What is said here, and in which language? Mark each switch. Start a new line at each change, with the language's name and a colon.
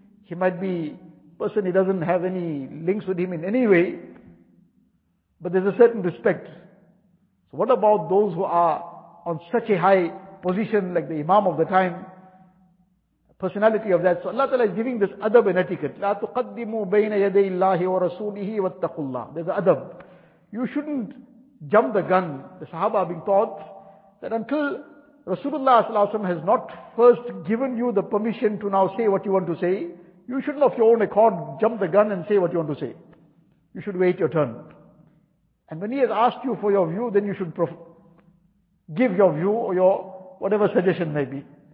English: He might be a person, he doesn't have any links with him in any way, but there's a certain respect. So what about those who are on such a high position, like the imam of the time, personality of that? So Allah Ta'ala is giving this adab and etiquette.
Arabic: لا تقدموا بين يدي الله ورسوله واتقوا الله.
English: There's an adab. You shouldn't jump the gun. The Sahaba are being taught that until Rasulullah Sallallahu Alaihi Wasallam has not first given you the permission to now say what you want to say, you shouldn't of your own accord jump the gun and say what you want to say. You should wait your turn. And when he has asked you for your view, then you should give your view or your whatever suggestion may be.